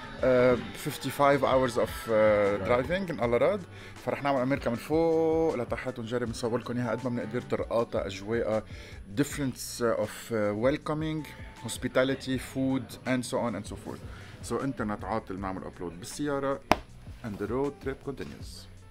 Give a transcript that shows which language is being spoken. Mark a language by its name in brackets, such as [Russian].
[English] 55 hours of driving in Alarad. [Arabic] فرح نعمل أمريكا من فوق لتحت ونجرب نصور لكم إياها قد ما بنقدر، طرقاتة أجواءها، [English] difference of welcoming, hospitality, food and so on and so forth. So internet [Arabic] عاطل، نعمل [English] upload [Arabic] بالسيارة [English] and the road trip continues.